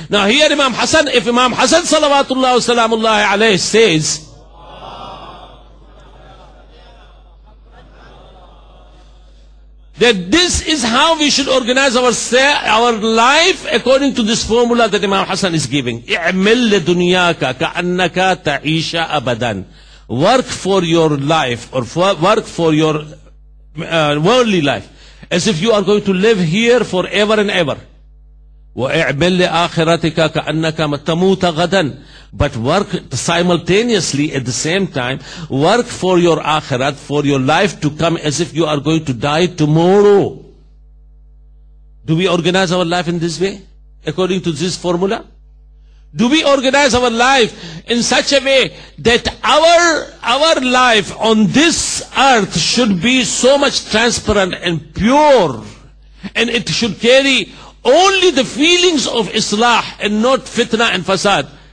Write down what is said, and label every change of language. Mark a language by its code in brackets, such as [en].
[en] Now here Imam Hassan, if Imam Hassan salawatullahi wa salamullahi alayhi says, that this is how we should organize our life according to this formula that Imam Hassan is giving. [ar] اعمل لدنياك كأنك تعيش أبدا. [en] Work for your life or work for your worldly life as if you are going to live here forever and ever. [ar] واعمل لآخرتك كأنك تموت غدا. [en] But work simultaneously at the same time, work for your akhirat, for your life to come as if you are going to die tomorrow. Do we organize our life in this way? According to this formula? Do we organize our life in such a way that our life on this earth should be so much transparent and pure, and it should carry only the feelings of islah and not fitna and fasad?